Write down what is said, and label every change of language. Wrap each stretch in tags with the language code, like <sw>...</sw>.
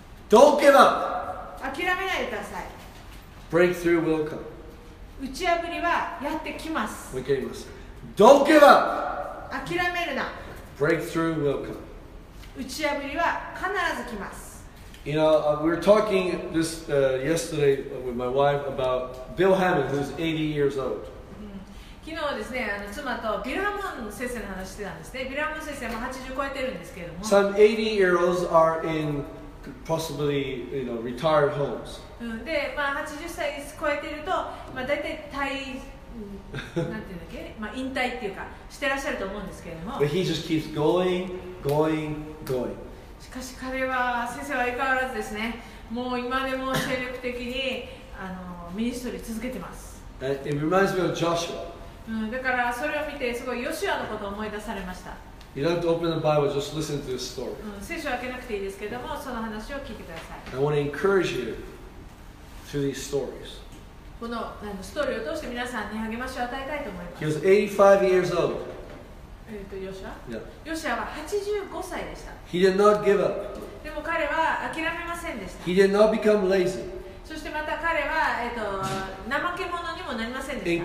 <en>Don't give up.</en> <ja>諦めないでください。</ja> <en>Breakthrough will come.</en> <ja>打ち破りはやってきます。</ja> <en>We get this. Don't give up.</en> <ja>諦めるな。</ja> <en>Breakthrough will come.</en> <ja>打ち破りは必ず来ます。</ja> <en>You know, we were talking this yesterday with my wife about Bill Hammond, who's 80 years old.</en> <ja>昨日ですね、あの妻とビルハム先生の話してたんですね。ビルハム先生も80超えてるんですけれども。</ja> <en>Some 80 year olds are in possibly, you know, retired homes.</en> <ja>うん、で、まあ80歳超えてると、まあ大体退、なんていうんだっけ、まあ引退っていうかしてらっしゃると思うんですけれども。</ja> <en>But he just keeps going, going, going.</en> <ja>しかし彼は、先生は相変わらずですね、もう今でも精力的にあのミニストリー続けてます。</ja> <en>It reminds me of Joshua.</en> <ja>うん、だからそれを見てすごいヨシュアのことを思い出されました。</ja> <en>You don't have to open the Bible, just listen to this story.</en> <ja>聖書を開けなくていいですけれども、その話を聞いてください。</ja> <en>I want to encourage you through these stories.</en> <ja>このストーリーを通して皆さんに励ましを与えたいと思います。</ja> <en>He was 85 years old.</en> <ja>ヨシュア。</ja> <en>Yeah.</en> <ja>ヨシュアは85歳でした。</ja> <en>He did not give up.</en> <ja>でも彼は諦めませんでした。</ja> <en>He did not become lazy.</en> <ja>そしてまた彼は、怠け者にもなりませんでした。</ja>